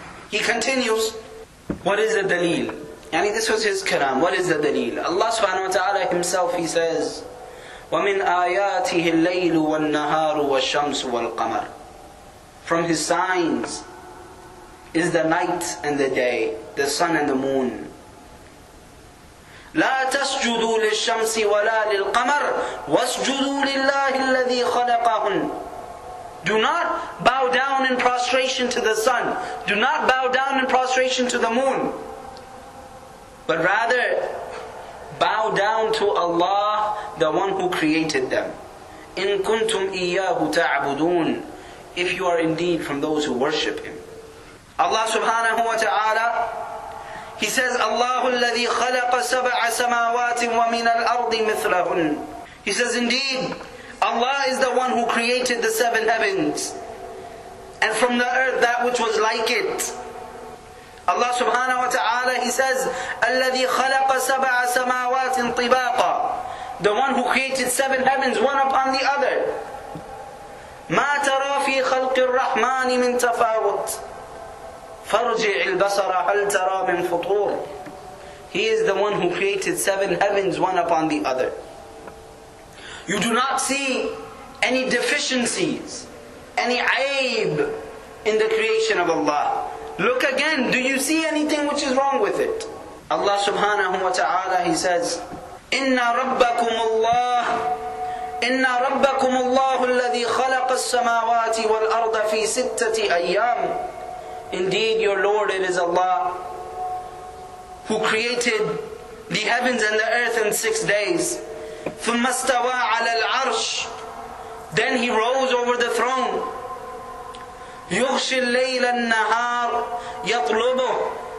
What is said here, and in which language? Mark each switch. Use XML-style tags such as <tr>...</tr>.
<en>He continues, what is the dalil? Yani this was his kalam. What is the dalil? Allah subhanahu wa ta'ala Himself, He says,</en> <ar>وَمِنْ آيَاتِهِ اللَّيْلُ وَالنَّهَارُ وَالشَّمْسُ وَالْقَمَرُ.</ar> <en>From His signs, is the night and the day, the sun and the moon.</en> <ar>لا تسجدوا للشمس ولا للقمر واسجدوا لله الذي خلقهن.</ar> <en>Do not bow down in prostration to the sun. Do not bow down in prostration to the moon. But rather, bow down to Allah, the one who created them.</en> <ar>إِن كُنْتُمْ إِيَّاهُ تَعْبُدُونَ.</ar> <en>If you are indeed from those who worship Him. Allah subhanahu wa ta'ala, He says,</en> <ar>اللَّهُ الَّذِي خَلَقَ سَبْعَ سَمَاوَاتٍ وَمِنَ الْأَرْضِ مِثْلَهُنْ.</ar> <en>He says, indeed, Allah is the one who created the seven heavens and from the earth that which was like it. Allah subhanahu wa ta'ala, He says,</en> <ar>الَّذِي خَلَقَ سَبْعَ سَمَاوَاتٍ طِبَاقًا.</ar> <en>The one who created seven heavens, one upon the other.</en> <ar>مَا تَرَى فِي خَلْقِ الرَّحْمَانِ مِنْ تَفَاوُتٍ فَرْجِعِ الْبَصَرَ هَلْ تَرَى مِنْ فُطُورٍ.</ar> <en>He is the one who created seven heavens, one upon the other. You do not see any deficiencies, any aib in the creation of Allah. Look again, do you see anything which is wrong with it? Allah subhanahu wa ta'ala, He says,</en> <ar>إِنَّ رَبَّكُمُ اللَّهِ إِنَّ رَبَّكُمُ اللَّهُ الَّذِي خَلَقَ السَّمَاوَاتِ وَالْأَرْضَ فِي سِتَّةِ أَيَّامٍ.</ar> <en>Indeed, your Lord, it is Allah who created the heavens and the earth in 6 days.</en> <ar>ثُمَّ اسْتَوَى عَلَى الْعَرْشِ.</ar> <en>Then He rose over the throne.</en> <ar>يُغْشِ اللَّيْلَ النَّهَارِ يَطْلُبُهُ.</ar>